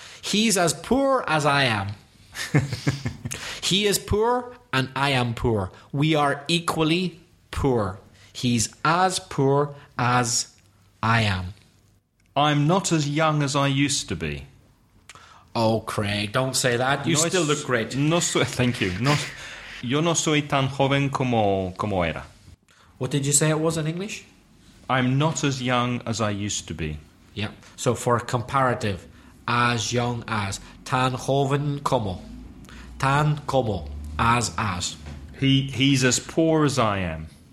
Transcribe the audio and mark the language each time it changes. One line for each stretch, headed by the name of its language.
English: He's as poor as I am. He is poor and I am poor. We are equally poor. He's as poor as I am. I'm not as young as I used to be. Oh, Craig, don't say that. You still look great. Thank you.
Spanish: Yo no soy tan joven como era.
English: What did you say it was in English? I'm not as young as I used to be. Yeah. So for a comparative, as young as.
Spanish: Tan joven como. Tan como. As.
English: He's as poor as I am.